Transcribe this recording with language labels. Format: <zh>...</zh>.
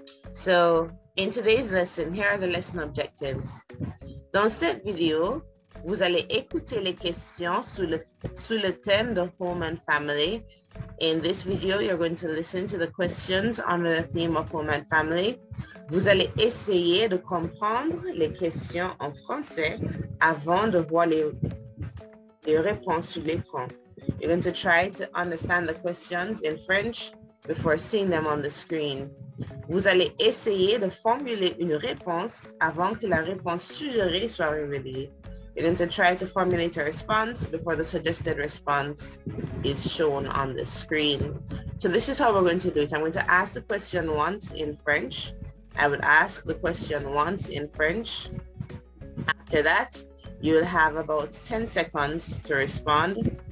<en>So, in today's lesson, here are the lesson objectives.</en> <fr>Dans cette vidéo, vous allez écouter les questions sous le thème de</fr> <en>home and family. In this video, you're going to listen to the questions on the theme of home and family.</en> <fr>Vous allez essayer de comprendre les questions en français avant de voir les réponses sur l'écran.</fr> <en>You're going to try to understand the questions in French before seeing them on the screen.</en> <fr>Vous allez essayer de formuler une réponse avant que la réponse suggérée soit révélée.</fr> <en>You're going to try to formulate a response before the suggested response is shown on the screen. So this is how we're going to do it. I'm going to ask the question once in French. I would ask the question once in French. After that, you'll have about 10 seconds to respond.</en>